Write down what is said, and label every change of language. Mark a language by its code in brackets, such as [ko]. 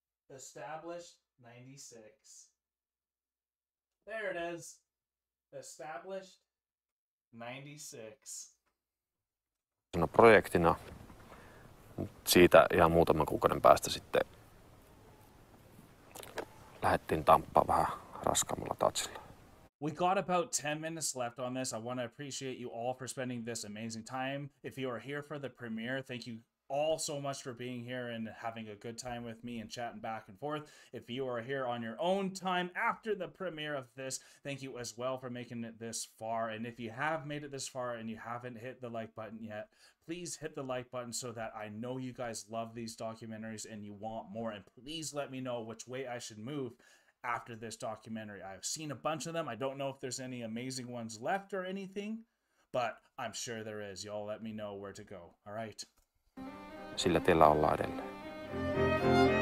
[en] Established 96. There it is. Established 96. [fi] No projektina. Siitä ihan muutaman kuukauden päästä sitten lähdettiin tamppaa vähän raskaammalla tatsilla. [en] We got about 10 minutes left on this. I want to appreciate you all for spending this amazing time. If you are here for the premiere, thank you all so much for being here and having a good time with me and chatting back and forth. If you are here on your own time after the premiere of this, thank you as well for making it this far. And if you have made it this far and you haven't hit the like button yet, please hit the like button so that I know you guys love these documentaries and you want more. And please let me know which way I should move after this documentary. I've seen a bunch of them. I don't know if there's any amazing ones left or anything, but I'm sure there is. Y'all let me know where to go. All right. [fi] Sillä tiellä ollaan edelleen.